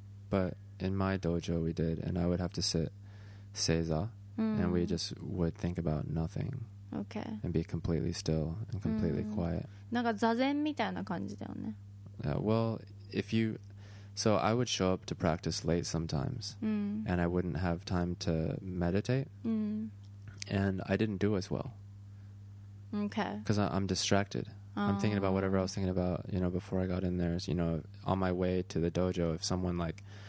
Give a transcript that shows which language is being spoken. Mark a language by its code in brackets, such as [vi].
[en] But in my dojo we did, and I would have to sit seiza, and we just would think about nothing. Okay. And be completely still and completely quiet. [ja] なんか座禅みたいな感じだよね。 [en] Well, if you... So I would show up to practice late sometimes, and I wouldn't have time to meditate, and I didn't do as well. Okay. Because I'm distracted. I'm thinking about whatever I was thinking about, you know, before I got in there. You know, on my way to the dojo, if someone like